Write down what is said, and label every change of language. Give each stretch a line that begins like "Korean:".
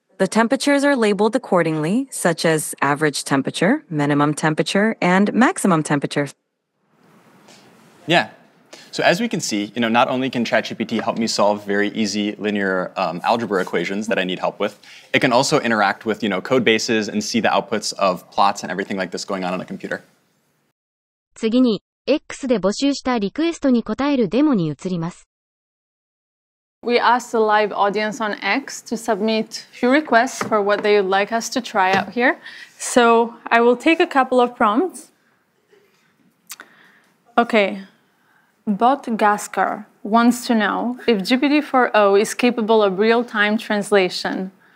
English: The temperatures are labeled accordingly, such as average temperature, minimum temperature, and maximum temperature. Yeah. So as we can see, you know, not only can ChatGPT help me solve very easy linear algebra equations that I need help with, it can also interact with, you know, code bases and see the outputs of plots and everything like this going on a computer.
Japanese: 次に、X で募集したリクエストに答えるデモに移ります。
English: We asked the live audience on X to submit few requests for what they would like us to try out here. So I will take a couple of prompts. Okay. Bot Gaskar wants to know if GPT-4o is capable of real-time translation.